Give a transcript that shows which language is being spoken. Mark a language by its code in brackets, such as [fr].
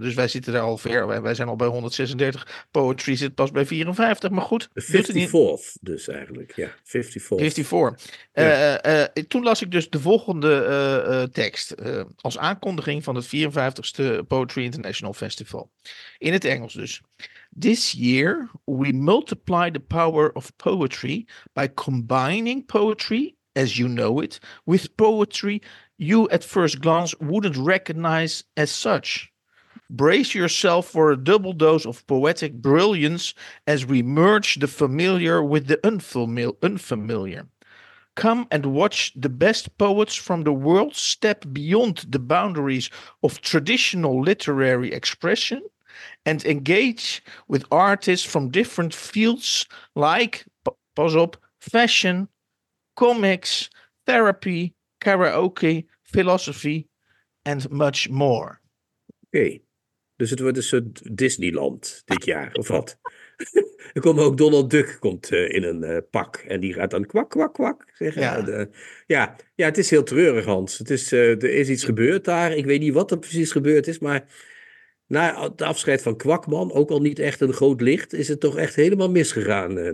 [nl] Dus wij zitten daar al ver, wij zijn al bij 136. Poetry zit pas bij 54, maar goed. 54th dus eigenlijk, ja. 54. Toen las ik dus de volgende tekst. Als aankondiging van het 54ste Poetry International Festival. In het Engels dus. [en] This year we multiply the power of poetry by combining poetry, as you know it, with poetry you at first glance wouldn't recognize as such. Brace yourself for a double dose of poetic brilliance as we merge the familiar with the unfamiliar. Come and watch the best poets from the world step beyond the boundaries of traditional literary expression and engage with artists from different fields like, pause up, fashion, comics, therapy, karaoke, philosophy, and much more. [nl] Oké, dus het wordt een soort Disneyland dit jaar, of wat? Er komt ook Donald Duck in een pak en die gaat dan kwak, kwak, kwak zeggen. Ja. Ja, het is heel treurig, Hans. Er is iets gebeurd daar. Ik weet niet wat er precies gebeurd is, maar na het afscheid van Kwakman, ook al niet echt een groot licht, is het toch echt helemaal misgegaan.